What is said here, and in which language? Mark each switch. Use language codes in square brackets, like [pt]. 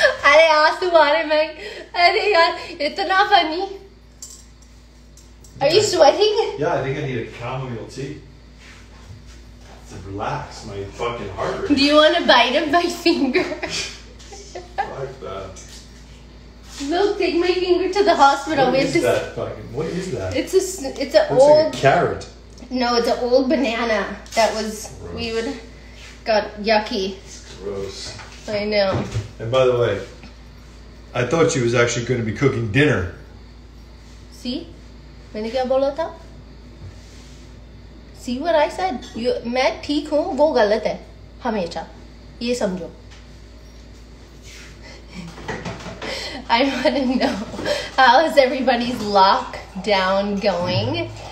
[hi] अरे आँसू आ रहे हैं. अरे यार इतना funny. [en] Are you sweating? Yeah, I think I need a chamomile tea. To relax my fucking heart rate. Do you want a bite of my finger? Like that. Look, take my finger to the hospital. What is that fucking? What is that? It's a looks old like a carrot. No, it's an old banana that was gross. We would got yucky. It's gross. I know. And by the way, I thought she was actually going to be cooking dinner. See? [hi] मैंने क्या बोला था? [en] See what I said? You, [hi] मैं ठीक हूँ, वो गलत है. हमेशा. ये समझो. [en] I want to know, how is everybody's lockdown going?